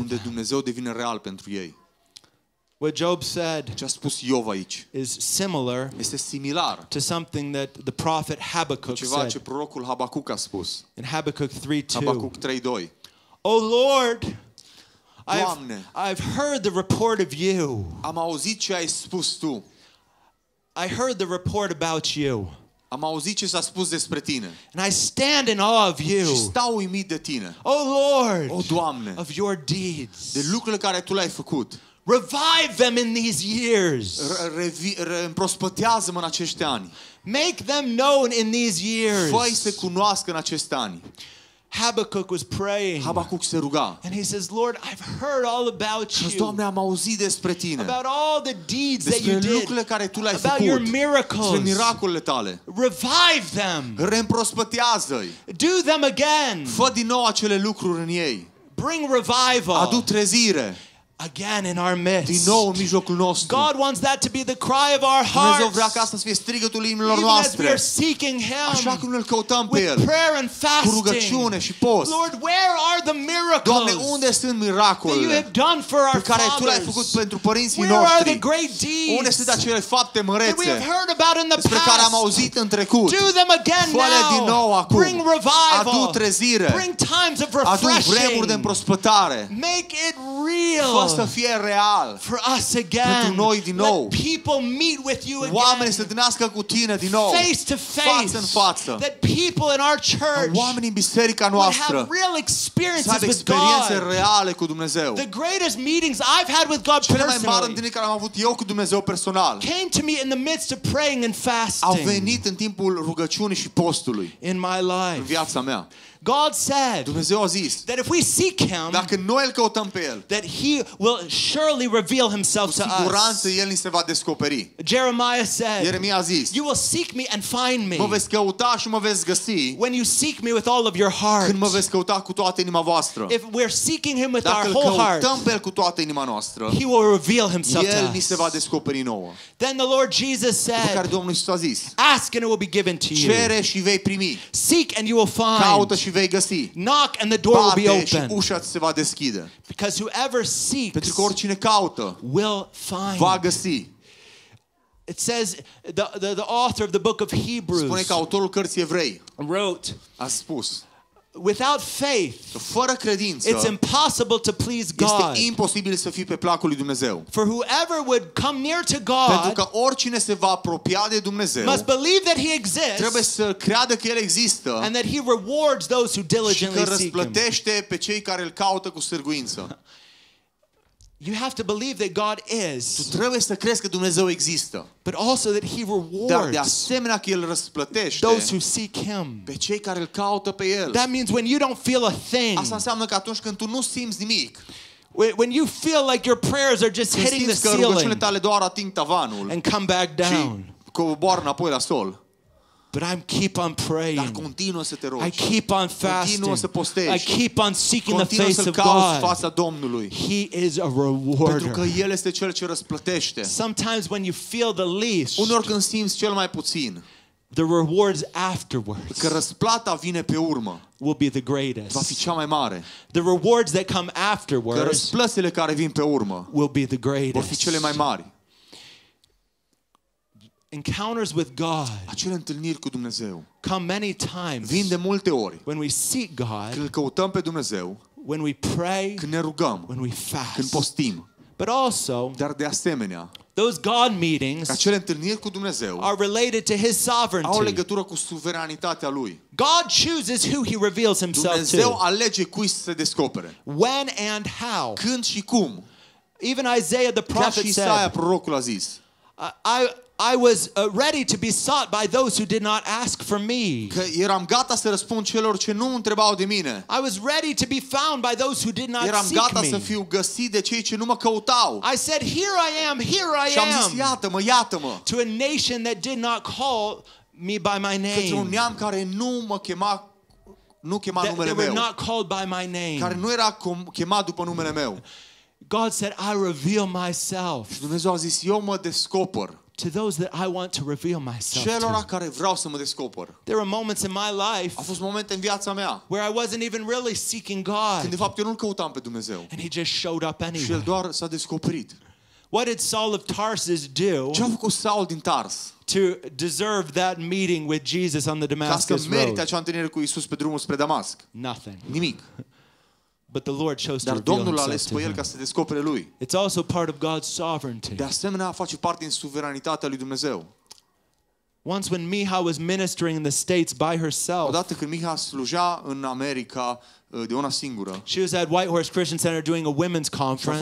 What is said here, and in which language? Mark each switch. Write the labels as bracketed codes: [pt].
[ro] Unde Dumnezeu devine real pentru ei. [en] What Job said [ro] aici, [en] is similar, [ro] este similar [en] to something that the prophet Habakkuk [ro] ceva [en] said. [ro] Ce prorocul Habacuc a spus. [en] In Habakkuk 3:2. [ro] Habacuc 3:2. [en] O Lord, [ro] Doamne, [en] I've heard the report of you. [ro] Am auzit ce ai spus tu. [en] I heard the report about you. [ro] Am auzit ce s-a spus despre tine. [en] And I stand in awe of you. [ro] Și stau uimit de tine. [en] O Lord, [ro] o Doamne, [en] of your deeds. [ro] De lucrurile care tu le-ai făcut. [en] Revive them in these years. [ro] Împrospătează-mă în acești ani. [en] Make them known in these years. [ro] Fă-i să cunoască în acești ani. [en] Habakkuk was praying. [ro] Habacuc se ruga. [en] And he says, Lord, I've heard all about you. [ro] Doamne, am auzit despre tine. [en] About all the deeds that you did. [ro] Despre lucrurile care tu le-ai făcut. [en] About your miracles. [ro] Despre miracolele tale. [en] Revive them. [ro] Reîmprospătează-i. [en] Do them again. [ro] Fă din nou acele lucruri în ei. [en] Bring revival. [ro] Adu trezire. [en] again in our midst. [ro] Din nou în mijlocul nostru. [en] God wants that to be the cry of our hearts. [ro] Dumnezeu vrea ca asta să fie strigătul inimilor noastre. [en] Even as we are seeking Him. [ro] Așa cum îl căutăm pe El. [en] With prayer and fasting. [ro] Cu rugăciune și post. [en] Lord, where are the miracles? [ro] Doamne, unde sunt miracolele? [en] That you have done for our fathers. [ro] Pe care Tu le-ai făcut pentru părinții [en] where [ro] noștri. [en] Where are the great deeds? [ro] Unde sunt acele fapte mărețe? [en] That we have heard about in the past. [ro] Despre care am auzit în trecut. [en] Do them again now. [ro] Fă-le din nou acum. [en] Bring revival. [ro] Adu trezire. [en] Bring times of refreshing. [ro] Adu vremuri de împrospătare. [en] Make it real. [ro] Fă să fie real. [en] For us again. [ro] Pentru noi din nou. [en] Let people meet with you again. [ro] Oamenii să întâlnească cu tine din nou. [en] Face to face. [ro] Față în față. [en] That people in our church. [ro] Oamenii în biserica noastră. [en] Have real experiences with God. [ro] Să aibă experiențe reale cu Dumnezeu. [en] The greatest meetings I've had with God personally. [ro] Cele mai mari întâlniri care am avut eu cu Dumnezeu personal. [en] Came to me in the midst of praying and fasting. [ro] Au venit în timpul rugăciunii și postului. [en] In my life. [ro] În viața mea. [en] God said, [ro] Dumnezeu a zis, [en] that if we seek Him, [ro] dacă noi îl căutăm pe El, [en] that He will surely reveal Himself to us. [ro] Cu siguranță El ni se va descoperi. [en] Jeremiah said, [ro] Ieremia a zis, [en] you will seek me and find me. [ro] Mă veți căuta și mă veți găsi. [en] When you seek me with all of your heart. [ro] Când mă veți căuta cu toată inima voastră. [en] If we're seeking Him with our whole heart. [ro] Dacă îl căutăm pe El cu toată inima noastră. [en] He will reveal Himself to us. [ro] El ni se va descoperi nouă. [en] Then the Lord Jesus said, [ro] după care Domnul Iisus a zis, [en] ask and it will be given to you. [ro] Cere și vei primi. [en] Seek and you will find. [ro] Caută și vei găsi. [en] Knock and the door [ro] bate [en] will be open. [ro] Și ușa ți se va deschide. [en] Because whoever seeks, [ro] pentru că oricine caută, [en] will find. [ro] Va găsi. [en] It says the author of the book of Hebrews. [ro] Spune că autorul cărții Evrei. [en] Wrote. [ro] A spus. [en] Without faith. [ro] Fără credință. [en] It's impossible to please God. [ro] Este imposibil să fii pe placul lui Dumnezeu. [en] For whoever would come near to God. [ro] Pentru că oricine se va apropia de Dumnezeu. [en] Must believe that He exists. [ro] Trebuie să creadă că El există. [en] And that He rewards those who diligently seek Him. [ro] Și că răsplătește pe cei care îl caută cu sârguință. [en] You have to believe that God is. [ro] Tu trebuie să crezi că Dumnezeu există. [en] But also that He rewards. [ro] Dar de asemenea că El răsplătește. [en] Those who seek Him. [ro] Pe cei care îl caută pe El. [en] That means when you don't feel a thing. [ro] Asta înseamnă că atunci când tu nu simți nimic. [en] When you feel like your prayers are just hitting the ceiling. [ro] Simți că rugăciunile tale doar ating tavanul. [en] And come back down. [ro] Și coboară înapoi la sol. [en] But I keep on praying. [ro] Dar continuă să te rogi. [en] I keep on fasting. [ro] Continuă să postești. [en] I keep on seeking [ro] continuă [en] the face of God. [ro] Continuă să cauți fața Domnului. [en] He is a rewarder. [ro] Pentru că El este Cel ce răsplătește. [en] Sometimes when you feel the least. [ro] Uneori când simți cel mai puțin. [en] The rewards afterwards. [ro] Că răsplata vine pe urmă. [en] Will be the greatest. [ro] Va fi cea mai mare. [en] The rewards that come afterwards. [ro] Că răsplățile care vin pe urmă. [en] Will be the greatest. [ro] Vor fi cele mai mari. [en] Encounters with God. [ro] Acele întâlniri cu Dumnezeu. [en] Come many times. [ro] Vin de multe ori. [en] When we seek God. [ro] Când căutăm pe Dumnezeu. [en] When we pray. [ro] Când ne rugăm. [en] When we fast. [ro] Când postim. [en] But also. [ro] Dar de asemenea. [en] Those God meetings. [ro] Acele întâlniri cu Dumnezeu. [en] Are related to His sovereignty. [ro] Au legătură cu suveranitatea Lui. [en] God chooses who He reveals Himself to. [ro] Dumnezeu alege cui să se descopere. [en] When and how. [ro] Când și cum. [en] Even Isaiah the prophet said. [ro] Chiar și Isaia prorocul a zis. [en] I was ready to be sought by those who did not ask for me. [ro] Că eram gata să răspund celor ce nu întrebau de mine. [en] I was ready to be found by those who did not seek me. [ro] Eram gata să fiu găsit de cei ce nu mă căutau. [en] I said, "Here I am, here I am." [ro] Și am zis, iată-mă, iată-mă. [en] To a nation that did not call me by my name. [ro] Către un neam care nu mă chema, nu chema numele meu. [en] They were not called by my name. [ro] Care nu era chemat după numele meu. [en] God said, "I reveal myself." [ro] Și Dumnezeu a zis, eu mă descoper. [en] To those that I want to reveal myself. [ro] Celora care vreau să mă descoper. [en] There are moments in my life. [ro] A fost momente în viața mea. [en] Where I wasn't even really seeking God. [ro] Când de fapt eu nu-l căutam pe Dumnezeu. [en] And He just showed up anyway. [ro] Și El doar s-a descoperit. [en] What did Saul of Tarsus do? [ro] Ce a făcut Saul din Tars? [en] To deserve that meeting with Jesus on the Damascus road. [ro] Ca să merite acea întâlnire cu Iisus pe drumul spre Damasc. [en] Nothing. [ro] Nimic. [en] But the Lord chose [ro] dar [en] to reveal [ro] Domnul [en] himself [ro] ales pe El ca să descopere Lui. [en] It's also part of God's sovereignty. [ro] De asemenea, face parte din suveranitatea lui Dumnezeu. [en] Once when Miha was ministering in the States by herself. [ro] Odată când Miha sluja în America de una singură. [en] She was at White Horse Christian Center doing a women's conference.